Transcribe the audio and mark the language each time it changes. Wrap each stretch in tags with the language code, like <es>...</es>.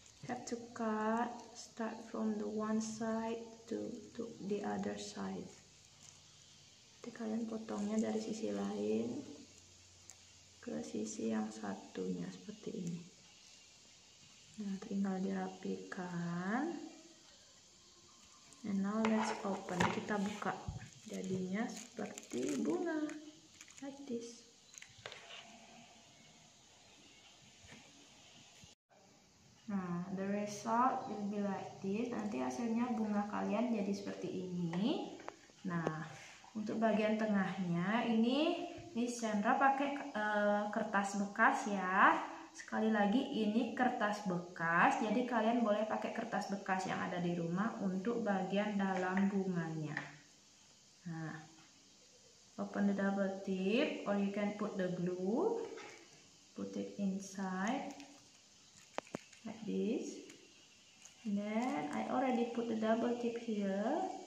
<en>Have to cut, start from the one side to the other side.</en> <id>Jadi kalian potongnya dari sisi lain ke sisi yang satunya seperti ini. Nah, tinggal dirapikan.</id> <en>And now let's open.</en> <id>Kita buka. Jadinya seperti bunga.</id> <en>Like this.</en> <id>Nah,</id> <en>the result will be like this.</en> <id>Nanti hasilnya bunga kalian jadi seperti ini. Nah, untuk bagian tengahnya, ini Sandra pakai kertas bekas ya. Sekali lagi, ini kertas bekas. Jadi kalian boleh pakai kertas bekas yang ada di rumah untuk bagian dalam bunganya.</id> <en>Nah, open the double tip or you can put the glue. Put it inside. Like this. Then I already put the double tip here.</en>